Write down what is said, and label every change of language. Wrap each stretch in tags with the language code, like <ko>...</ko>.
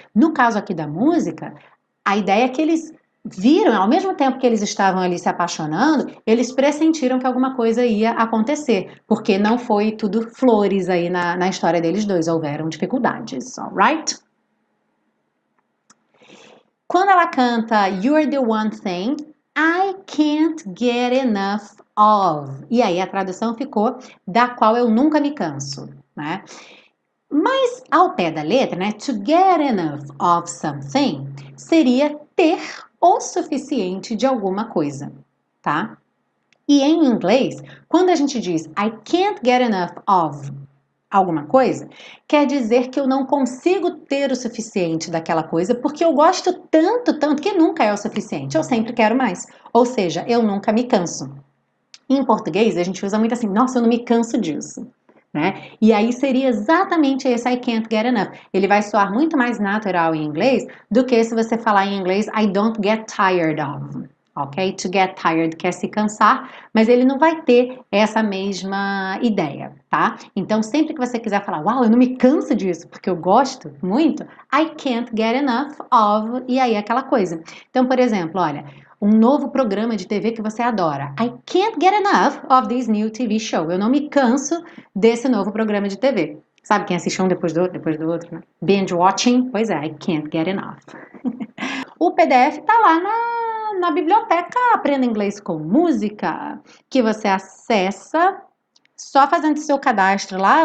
<pt>No caso aqui da música, a ideia é que eles viram, ao mesmo tempo que eles estavam ali se apaixonando, eles pressentiram que alguma coisa ia acontecer, porque não foi tudo flores aí na história deles dois, houveram dificuldades, all right? Quando ela canta</pt> <en>You're the One Thing, I can't get enough of.</en> <pt>E aí a tradução ficou da qual eu nunca me canso, né? Mas ao pé da letra, né?</pt> <en>To get enough of something</en> <pt>seria ter o suficiente de alguma coisa, tá? E em inglês, quando a gente diz</pt> <en>I can't get enough of</en> <pt>alguma coisa, quer dizer que eu não consigo ter o suficiente daquela coisa porque eu gosto tanto, tanto que nunca é o suficiente, eu sempre quero mais. Ou seja, eu nunca me canso. Em português, a gente usa muito assim, nossa, eu não me canso disso, né? E aí seria exatamente esse</pt> <en>I can't get enough.</en> <pt>Ele vai soar muito mais natural em inglês do que se você falar em inglês</pt> <en>I don't get tired of.</en> <pt>Ok?</pt> <en>To get tired</en> <pt>quer se cansar, mas ele não vai ter essa mesma ideia, tá? Então, sempre que você quiser falar, uau, eu não me canso disso porque eu gosto muito,</pt> <en>I can't get enough of,</en> <pt>e aí aquela coisa. Então, por exemplo, olha, Um novo programa de TV que você adora.</pt> <en>I can't get enough of this new TV show.</en> <pt>Eu não me canso desse novo programa de TV. Sabe quem assiste um depois do outro, né? Binge watching? Pois é,</pt> <en>I can't get enough.</en> <pt>O PDF tá lá na biblioteca Aprenda Inglês com Música, que você acessa só fazendo seu cadastro lá.</pt>